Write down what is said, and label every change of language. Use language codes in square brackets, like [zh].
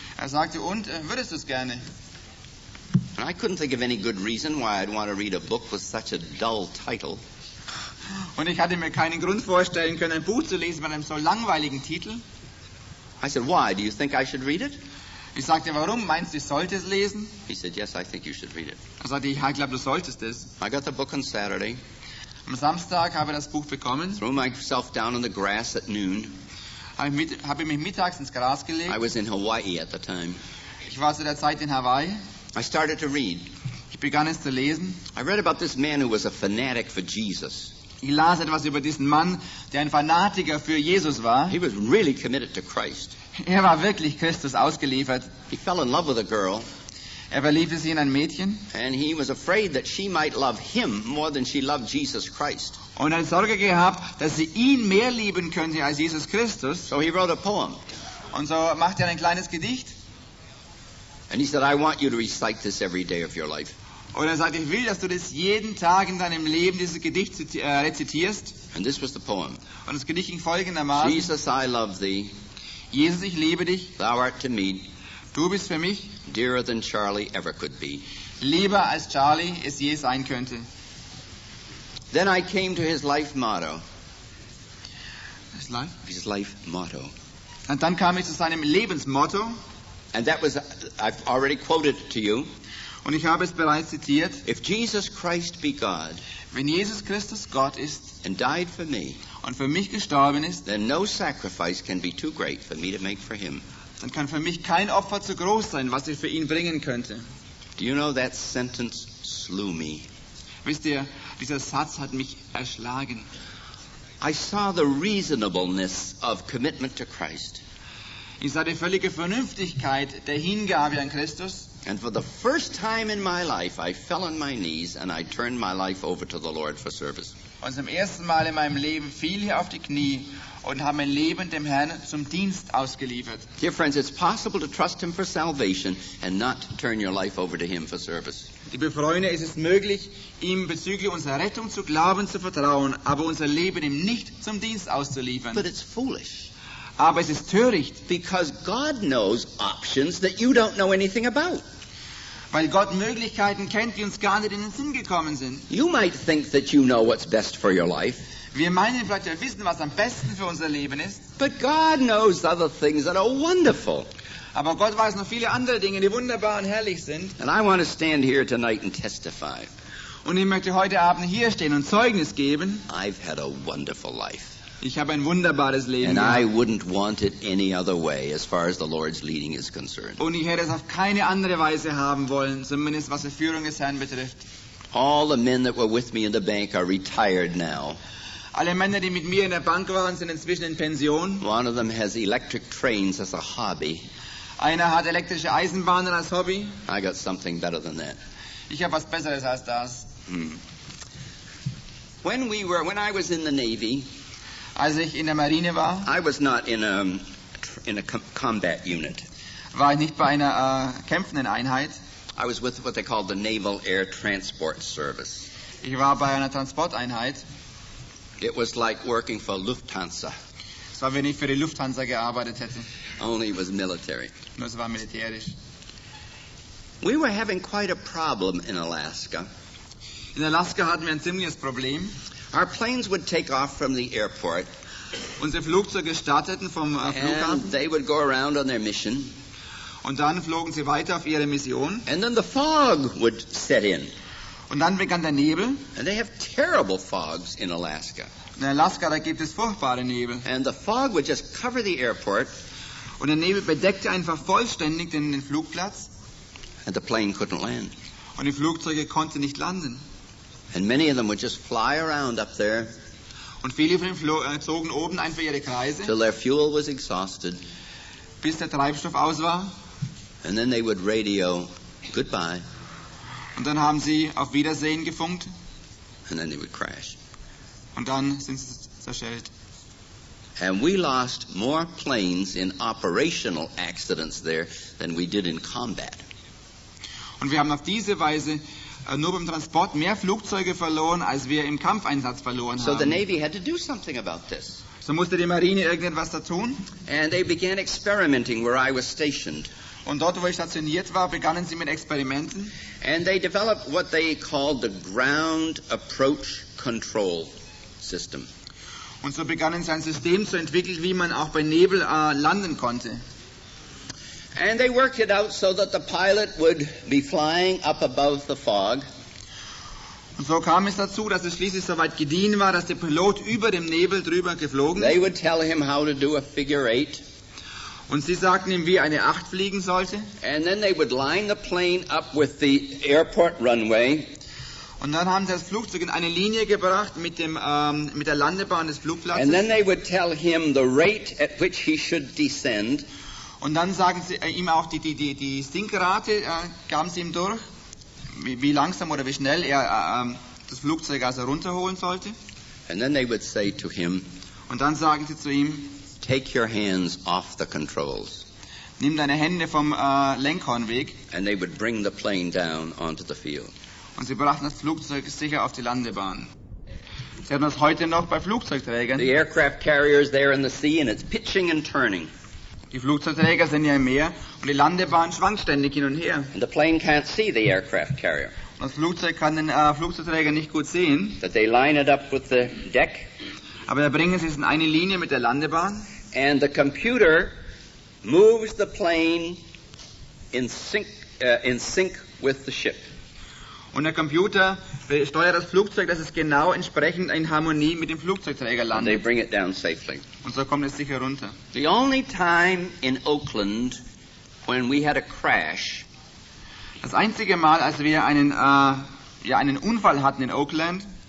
[de] Er sagte, und, würdest du es gerne? [en] And I couldn't think of any good reason why I'd want to read a book with such a dull title. [de] Und ich hatte mir keinen Grund vorstellen können, ein Buch zu lesen mit einem so langweiligen Titel. [en] I said, why? Do you think I should read it? [de] Ich sagte, warum? Meinst du, ich sollte es lesen? [en] He said, yes, I think you should read it. [de] Er sagte, ich glaube, du solltest es. [en] I got the book on Saturday. [de] Am Samstag habe ich das Buch bekommen. [en] Threw myself down on the grass at noon. [de] Habe mich mittags ins Gras gelegt. [en] I was in Hawaii at the time. [de] Ich war zu der Zeit in Hawaii. [en] I started to read. [de] Ich begann es zu lesen. [en] I read about this man who was a fanatic for Jesus. [de] Ich las etwas über diesen Mann, der ein Fanatiker für Jesus war. [en] He was really committed to Christ. [de] Er war wirklich Christus ausgeliefert. [en] He fell in love with a girl. [de] Er verliebte sich in ein Mädchen. [en] And he was afraid that she might love him more than she loved Jesus Christ. [de] Und er hat Sorge gehabt, dass sie ihn mehr lieben könnte als Jesus Christus. [en] So he wrote a poem. [de] Und so machte er ein kleines Gedicht. [en] And he said, I want you to recite this every day of your life. [de] Und er sagte, ich will, dass du das jeden Tag in deinem Leben, dieses Gedicht rezitierst. [en] And this was the poem. [de] Und das Gedicht ging folgendermaßen. [en] Jesus, I love thee. [de] Jesus, ich liebe dich. [en] Thou art to me. [de] Du bist für mich. [en] Dearer than Charlie ever could be. [de] Lieber als Charlie es je sein könnte. [en] Then I came to his life motto. His life? His life motto. [de] Und dann kam ich zu seinem Lebensmotto. [en] And that was, I've already quoted to you. [de] Und ich habe es bereits zitiert. [en] If Jesus Christ be God, [de] wenn Jesus Christus Gott ist, [en] and died for me, [de] und für mich gestorben ist, [en] then no sacrifice can be too great for me to make for him. [de] Dann kann für mich kein Opfer zu groß sein, was ich für ihn bringen könnte. [en] Do you know that sentence slew me? [de] Wisst ihr, dieser Satz hat mich erschlagen. [en] I saw the reasonableness of commitment to Christ. [de] Ich sah die völlige Vernünftigkeit der Hingabe an Christus. [en] And for the first time in my life, I fell on my knees and I turned my life over to the Lord for service. [de] Und zum ersten Mal in meinem Leben fiel ich auf die Knie und habe mein Leben dem Herrn zum Dienst ausgeliefert. [en] Dear friends, it's possible to trust him for salvation and not turn your life over to him for service. [de] Liebe Freunde, es ist möglich, ihm bezüglich unserer Rettung zu glauben, zu vertrauen, aber unser Leben ihm nicht zum Dienst auszuliefern. [en] But it's foolish. [de] Aber es ist töricht. [en] Because God knows options that you don't know anything about. [de] Weil Gott Möglichkeiten kennt, die uns gar nicht in den Sinn gekommen sind. [en] You might think that you know what's best for your life. [de] Wir meinen vielleicht, wir wissen, was am besten für unser Leben ist. [en] But God knows other things that are wonderful. [de] Aber Gott weiß noch viele andere Dinge, die wunderbar und herrlich sind. [en] And I want to stand here tonight and testify. [de] Und ich möchte heute Abend hier stehen und Zeugnis geben. [en] I've had a wonderful life. [de] Ich habe ein wunderbares Leben. [en] And I wouldn't want it any other way, as far as the Lord's leading is concerned. [de] Und ich hätte es auf keine andere Weise haben wollen, zumindest was die Führung des Herrn betrifft. [en] All the men that were with me in the bank are retired now. [de] Alle Männer, die mit mir in der Bank waren, sind inzwischen in Pension. [en] One of them has electric trains as a hobby. [de] Einer hat elektrische Eisenbahnen als Hobby. [en] I got something better than that. [de] Ich habe was Besseres als das. [en] When I was in the Navy. [de] Als ich in der Marine war, [en] I was not in a combat unit. [de] War ich nicht bei einer kämpfenden Einheit. [en] I was with what they called the Naval Air Transport Service. [de] Ich war bei einer Transporteinheit. [en] It was like working for Lufthansa. [de] Es war, wenn ich für die Lufthansa gearbeitet hätte. [en] Only it was military. [de] Nur es war militärisch. [en] We were having quite a problem in Alaska. [de] In Alaska hatten wir ein ziemliches Problem. [en] Our planes would take off from the airport. [de] Unsere Flugzeuge starteten vom Flughafen. [en] And they would go around on their mission. [de] Und dann flogen sie weiter auf ihre Mission. [en] And then the fog would set in. [de] Und dann begann der Nebel. [en] And they have terrible fogs in Alaska. [de] In Alaska, da gibt es furchtbare Nebel. [en] And the fog would just cover the airport. [de] Und der Nebel bedeckte einfach vollständig den Flugplatz. [en] And the plane couldn't land. [de] Und die Flugzeuge konnten nicht landen. [en] And many of them would just fly around up there. [de] Und viele von ihnen zogen oben einfach ihre Kreise. [en] Till their fuel was exhausted. [de] Bis der Treibstoff aus war. [en] And then they would radio goodbye. [de] Und dann haben sie auf Wiedersehen gefunkt. [en] And then they would crash. [de] Und dann sind sie zerschellt. [en] And we lost more planes in operational accidents there than we did in combat. [de] Und wir haben auf diese Weise nur beim Transport mehr Flugzeuge verloren, als wir im Kampfeinsatz verloren haben. [en] So the Navy had to do something about this. [de] So musste die Marine irgendetwas da tun. [en] And they began experimenting where I was stationed. [de] Und dort, wo ich stationiert war, begannen sie mit Experimenten. [en] And they developed what they called the ground approach control system. [de] Und so begannen sie ein System zu entwickeln, wie man auch bei Nebel landen konnte. [en] And they worked it out so that the pilot would be flying up above the fog. [de] Und so kam es dazu, dass es schließlich so weit gediehen war, dass der Pilot über dem Nebel drüber geflogen. [en] They would tell him how to do a figure eight. [de] Und sie sagten ihm, wie eine Acht fliegen sollte. [en] And then they would line the plane up with the airport runway. [de] Und dann haben sie das Flugzeug in eine Linie gebracht mit dem mit der Landebahn des Flugplatzes. [en] And then they would tell him the rate at which he should descend. [de] Und dann sagen sie ihm auch die Sinkrate gaben sie ihm durch, wie langsam oder wie schnell er das Flugzeug also runterholen sollte. [en] And then they would say to him, [de] und dann sagen sie zu ihm, [en] take your hands off the controls. [de] Nimm deine Hände vom Lenkhornweg. [en] And they would bring the plane down onto the field. [de] Und sie brachten das Flugzeug sicher auf die Landebahn. Sie haben das heute noch bei Flugzeugträgern. [en] The aircraft carrier is there in the sea and it's pitching and turning. [de] Die Flugzeugträger sind ja im Meer und die Landebahn schwankt ständig hin und her. [en] And the plane can't see the aircraft carrier. [de] Und das Flugzeug kann den Flugzeugträger nicht gut sehen. [en] But they line it up with the deck. [de] Aber da bringen sie es in eine Linie mit der Landebahn. [en] And the computer moves the plane in sync with the ship. [de] Und der Computer steuert das Flugzeug, dass es genau entsprechend in Harmonie mit dem Flugzeugträger landet. [en] They bring it down safely. [de] Und so kommt es sicher runter. [en] The only time in Oakland when we had a crash. [de] Das einzige Mal, als wir einen Unfall hatten in Oakland.